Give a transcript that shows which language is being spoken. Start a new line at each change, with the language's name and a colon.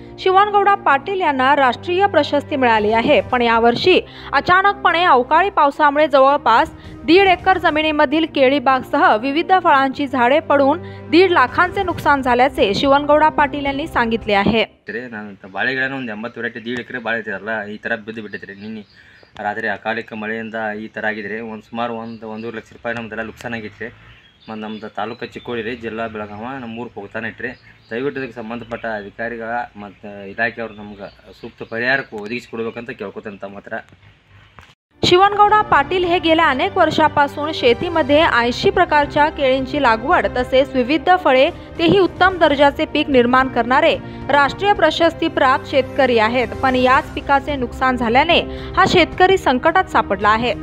Marathi: शिवनगौडा पाटील यांना राष्ट्रीय प्रशस्ती मिळाली आहे, पण यावर्षी अचानकपणे अवकाळी पावसामुळे जवळपास 1.5 एकर जमिनीमधील केळीबागसह विविध फळांची झाडे पडून 1.5 लाखांचे नुकसान झाल्याचे शिवनगौडा पाटील यांनी सांगितले आहे.
Kannada: ಬಾಳೆಗಿಡನ ಒಂದು 80 ವರೈಟಿ 1.5 ಎಕರೆ ಬಾಳೆ ಇದ್ರಲ್ಲ ಈ ತರ ಬಿದ್ದು ಬಿಟ್ಟಿದ್ರೆ ನಿನ್ನೆ ರಾತ್ರಿ ಅಕಾಲಿಕ ಮಳೆಯಿಂದ ಈ ತರ ಆಗಿದ್ರೆ ಒಂದು ಸುಮಾರು ₹1.5 ಲಕ್ಷ ನಮ್ದೆಲ್ಲ ನುಕ್ಸಾನ್ ಆಗಿತ್ತು. ಮತ್ತು ನಮ್ಮದು ತಾಲೂಕು ಚಿಕ್ಕೋಡಿ ರೀ, ಜಿಲ್ಲಾ ಬೆಳಗಾವ, ನಮ್ಮ ಊರು ಪೋಗ್ತಾನೆ ಇಟ್ರಿ. ದಯವಿಟ್ಟು ಇದಕ್ಕೆ ಸಂಬಂಧಪಟ್ಟ ಅಧಿಕಾರಿಗಳ ಮತ್ತು ಇಲಾಖೆಯವರು ನಮ್ಗೆ ಸೂಕ್ತ ಪರಿಹಾರ ಒದಗಿಸಿಕೊಡ್ಬೇಕಂತ ಕೇಳ್ಕೊತಂತ ಮಾತ್ರ.
Marathi: शिवनगौड़ पाटील हे गेल्या अनेक वर्षापासून शेतीमध्ये 80 प्रकारच्या केळींची लागवड तसेच विविध फळे तेही उत्तम दर्जाचे पीक निर्माण करणारे राष्ट्रीय प्रशस्ती प्राप्त शेतकरी आहेत, पण याच पिकाचे नुकसान झाल्याने हा शेतकरी संकटात सापडला आहे.